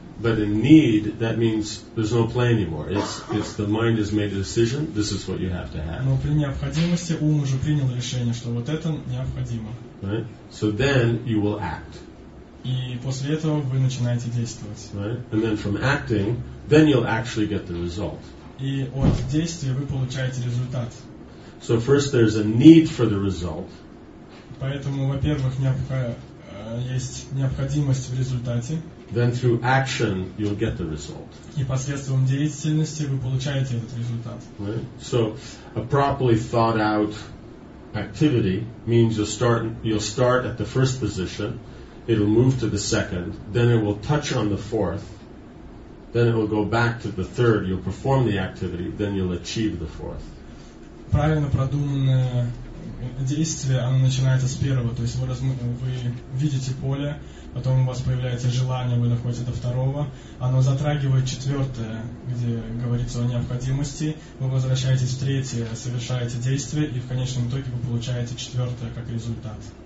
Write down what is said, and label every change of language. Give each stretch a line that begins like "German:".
English: But in need, that means there's no play anymore. It's the mind has made a decision. This is what you have to have.
Russian: Но при необходимости ум уже принял решение, что вот это необходимо.
English: Right. So then you will act.
Russian: И после этого вы начинаете действовать.
English: Right. And then from acting, then you'll actually get the result.
Russian: И от действия вы получаете результат.
English: So first there's a need for the result.
Russian: Поэтому, во-первых, есть необходимость в результате.
English: Then through action you'll get the result.
Russian: И посредством деятельности вы получаете этот результат.
English: Right? So a properly thought out activity means you'll start at the first position, it'll move to the second, then it will touch on the fourth, then it will go back to the third, you'll perform the activity, then you'll achieve the fourth.
Russian: Правильно продуманное действие, оно начинается с первого. То есть вы видите поле, потом у вас появляется желание, вы доходите до второго. Оно затрагивает четвертое, где говорится о необходимости. Вы возвращаетесь в третье, совершаете действие, и в конечном итоге вы получаете четвертое как результат.